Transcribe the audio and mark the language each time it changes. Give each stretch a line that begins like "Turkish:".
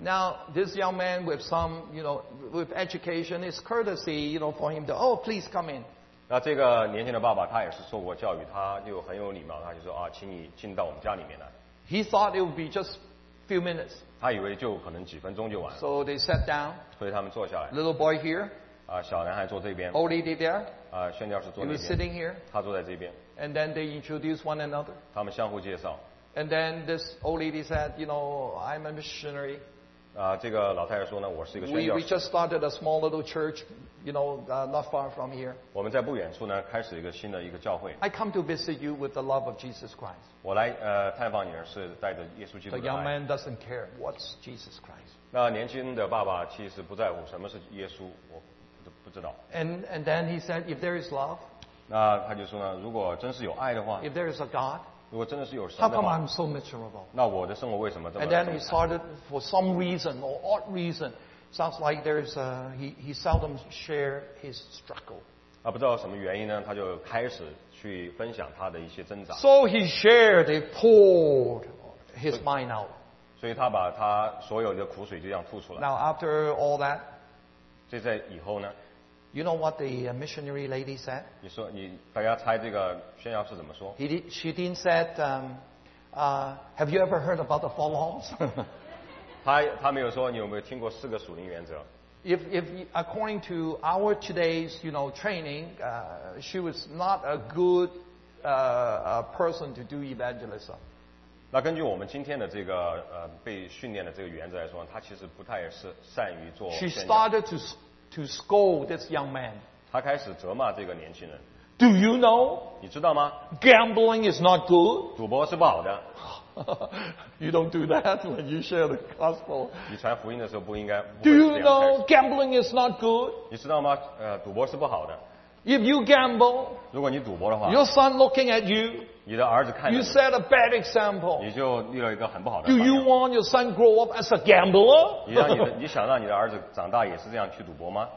English: Now, this young man with some, you know, with education, it's courtesy, you know, for him to, oh, please come in.
Chinese: 那这个年轻的爸爸他也是受过教育，他就很有礼貌，他就说啊，请你进到我们家里面来。
English: He thought it would be just few minutes.
Chinese: 他以为就可能几分钟就完了。
English: So they sat down.
Chinese: 所以他们坐下来。
English: Little boy here.
Chinese: 小男孩坐这边。
English: Old lady there.
Chinese: 宣教士坐那边。
English: He was sitting here.
Chinese: 他坐在这边。
English: And then they introduced one another.
Chinese: 他们相互介绍。
English: And then this old lady said, you know, I'm a missionary.
Chinese: 这个老太太说呢，我是一个宣教士。
English: We just started a small little church. You know, not far from here.
Chinese: 我们在不远处呢，开始一个新的一个教会。
English: I come to visit you with the love of Jesus Christ.
Chinese: 我来探访你是带着耶稣基督的爱。
English: The young man doesn't care what's Jesus Christ.
Chinese: 那年轻的爸爸其实不在乎什么是耶稣，我不知道。
English: And then he said, if there is love.
Chinese: 那他就说呢，如果真是有爱的话。
English: If there is a God.
Chinese: 如果真的是有神的话,
English: How come I'm so miserable?
Chinese: 那我的生活为什么这么,
English: And then he started for some reason or odd reason. Sounds like there is a he seldom share his struggle.
Chinese: 不知道什么原因呢, 他就开始去分享他的一些挣扎。
English: So he shared, he poured his mind out.
Chinese: 所以他把他所有的苦水就这样吐出来。
English: Now after all that,
Chinese: 这在以后呢,
English: you know what the missionary lady said?
Chinese: 你说你大家猜这个宣教士怎么说?
English: She didn't said, have you ever heard about the four laws?
Chinese: 他没有说你有没有听过四个属灵原则。
English: If according to our today's, you know, training, she was not a good person to do evangelism.
Chinese: 那根据我们今天的这个被训练的这个原则来说，她其实不太善于做。
English: She started to scold this young man.
Chinese: 她开始责骂这个年轻人。
English: Do you know?
Chinese: 你知道吗?
English: Gambling is not good.
Chinese: 赌博是不好的。
English: You don't do that when you share the gospel.
Chinese: 你传福音的时候不应该,
English: do you know gambling is not good?
Chinese: 你知道吗?赌博是不好的。
English: If you gamble,
Chinese: 如果你赌博的话,
English: your son looking at you,
Chinese: 你的儿子看着,
English: you set a bad example.
Chinese: 你就立了一个很不好的,
English: do you want your son grow up as a gambler?
Chinese: 你想让你的儿子长大也是这样去赌博吗?